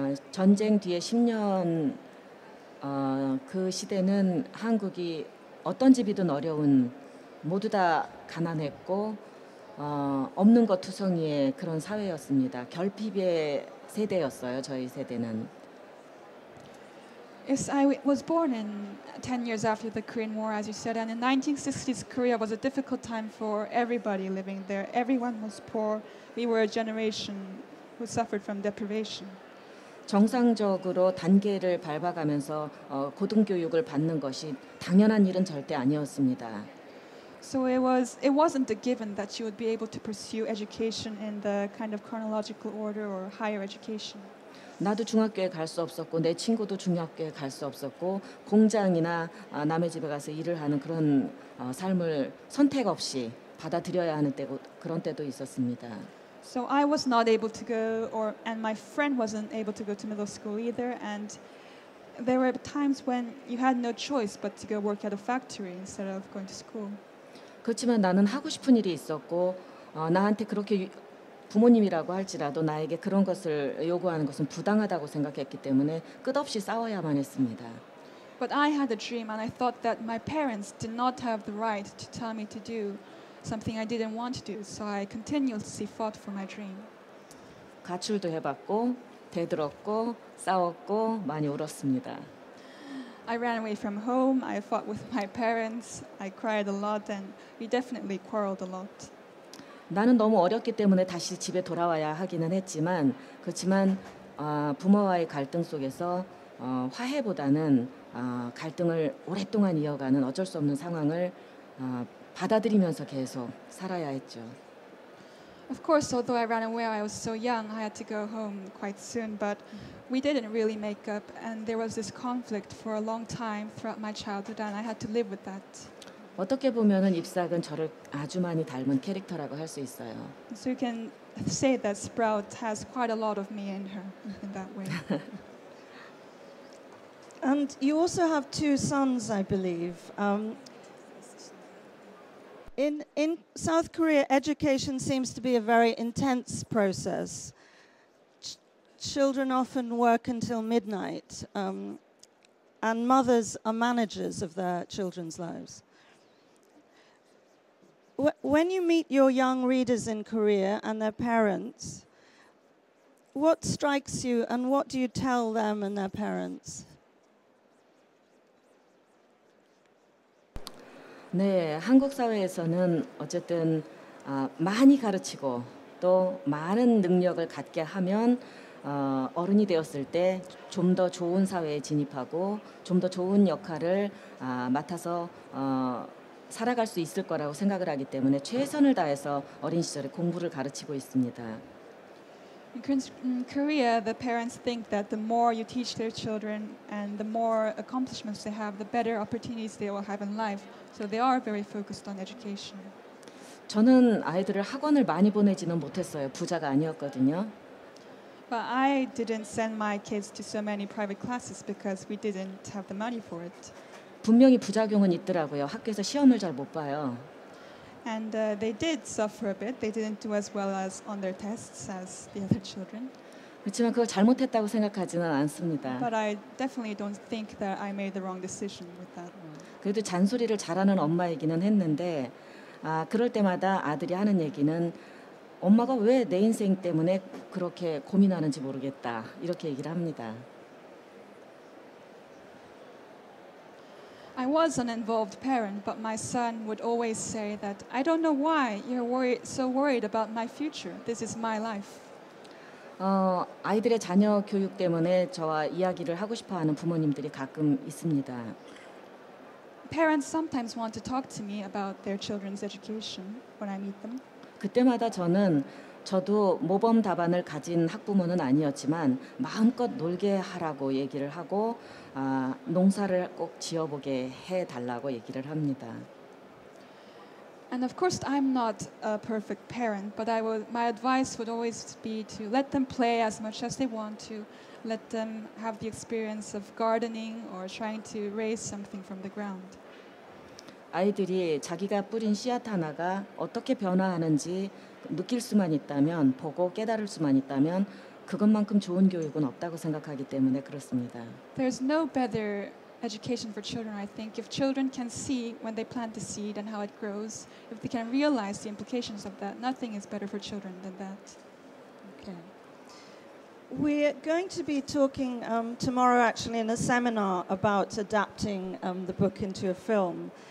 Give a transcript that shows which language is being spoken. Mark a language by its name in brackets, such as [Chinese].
[Korean] 전쟁 뒤에 10년 그 시대는 한국이 어떤 집이든 어려운 모두 다 가난했고 없는 것 투성이의 그런 사회였습니다. 결핍의 세대였어요. 저희 세대는. [English] Yes, I was born in 10 years after the Korean War, as you said, and in 1960s Korea was a difficult time for everybody living there. Everyone was poor. We were a generation who suffered from deprivation. [Korean] 정상적으로 단계를 밟아가면서 고등교육을 받는 것이 당연한 일은 절대 아니었습니다. [English] So it wasn't a given that you would be able to pursue education in the kind of chronological order or higher education. [Korean] 나도 중학교에 갈 수 없었고 내 친구도 중학교에 갈 수 없었고 공장이나 남의 집에 가서 일을 하는 그런 삶을 선택 없이 받아들여야 하는 때고 그런 때도 있었습니다. [English] So I was not able to go, and my friend wasn't able to go to middle school either. And there were times when you had no choice but to go work at a factory instead of going to school. [Korean] 그렇지만 나는 하고 싶은 일이 있었고 나한테 그렇게 부모님이라고 할지라도 나에게 그런 것을 요구하는 것은 부당하다고 생각했기 때문에 끝없이 싸워야만 했습니다. [English] But I had a dream, and I thought that my parents did not have the right to tell me to do something I didn't want to do, so I continuously fought for my dream. [Korean] 가출도 해봤고, 대들었고, 싸웠고, 많이 울었습니다. [English] I ran away from home, I fought with my parents, I cried a lot, and we definitely quarreled a lot. [Korean] 나는 너무 어렸기 때문에 다시 집에 돌아와야 하기는 했지만, 그렇지만 부모와의 갈등 속에서 화해보다는 갈등을 오랫동안 이어가는 어쩔 수 없는 상황을 받아들이면서 계속 살아야 했죠. [English] Of course, although I ran away, I was so young, I had to go home quite soon, but we didn't really make up, and there was this conflict for a long time throughout my childhood, and I had to live with that. [Korean] 어떻게 보면은 잎사귄 저를 아주 많이 닮은 캐릭터라고 할 수 있어요. [English] So you can say that Sprout has quite a lot of me in her in that way. And you also have two sons, I believe. In South Korea, education seems to be a very intense process. Children often work until midnight, and mothers are managers of their children's lives. When you meet your young readers in Korea and their parents, what strikes you and what do you tell them and their parents? [Korean] 네, 한국 사회에서는 어쨌든 많이 가르치고 또 많은 능력을 갖게 하면 어른이 되었을 때 좀 더 좋은 사회에 진입하고 좀 더 좋은 역할을 맡아서 살아갈 수 있을 거라고 생각을 하기 때문에 최선을 다해서 어린 시절에 공부를 가르치고 있습니다. [English] In Korea, the parents think that the more you teach their children and the more accomplishments they have, the better opportunities they will have in life. So they are very focused on education. [Korean] 저는 아이들을 학원을 많이 보내지는 못했어요. 부자가 아니었거든요. [English] But I didn't send my kids to so many private classes because we didn't have the money for it. [Korean] 분명히 부작용은 있더라고요. 학교에서 시험을 잘 못 봐요. [English] And they did suffer a bit. They didn't do as well as on their tests as the other children. [Korean] 그렇지만 그걸 잘못했다고 생각하지는 않습니다. [English] But I definitely don't think that I made the wrong decision with that. [Korean] 그래도 잔소리를 잘하는 엄마이기는 했는데 그럴 때마다 아들이 하는 얘기는 엄마가 왜 내 인생 때문에 그렇게 고민하는지 모르겠다. 이렇게 얘기를 합니다. [English] I was an involved parent, but my son would always say that I don't know why you're so worried about my future. This is my life. [Korean] 아이들의 자녀 교육 때문에 저와 이야기를 하고 싶어하는 부모님들이 가끔 있습니다. [English] Parents sometimes want to talk to me about their children's education when I meet them. [Korean] 그때마다 저는 저도 모범 답안을 가진 학부모는 아니었지만 마음껏 놀게 하라고 얘기를 하고 농사를 꼭 지어보게 해달라고 얘기를 합니다. [English] And of course, I'm not a perfect parent, but my advice would always be to let them play as much as they want to, let them have the experience of gardening or trying to raise something from the ground. [Korean] 아이들이 자기가 뿌린 씨앗 하나가 어떻게 변화하는지 느낄 수만 있다면, 보고 깨달을 수만 있다면 그것만큼 좋은 교육은 없다고 생각하기 때문에 그렇습니다. [English] There's no better education for children, I think. If children can see when they plant a seed and how it grows, if they can realize the implications of that, nothing is better for children than that. Okay. We're going to be talking tomorrow actually in a seminar about adapting the book into a film.